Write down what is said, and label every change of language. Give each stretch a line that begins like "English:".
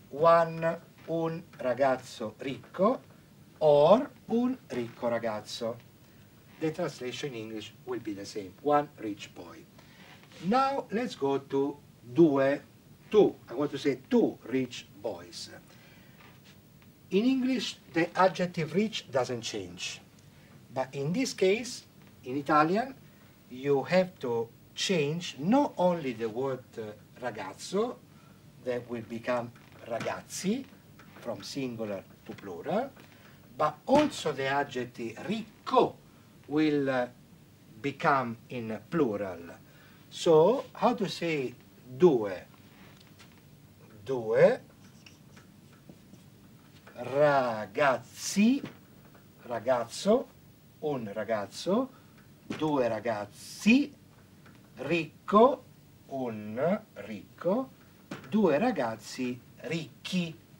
Italian: One, un ragazzo ricco, or un ricco ragazzo.
English: The translation in English will be the same. One rich boy. Now let's go to due, two. I want to say two rich boys. In English, the adjective rich doesn't change. But in this case, in Italian, you have to change not only the word ragazzo, that will become ragazzi, from singular to plural, but also the adjective ricco will become in plural. So, how to say due?
Italian: Due ragazzi, ragazzo, un ragazzo, due ragazzi, ricco, un ricco, due ragazzi ricchi.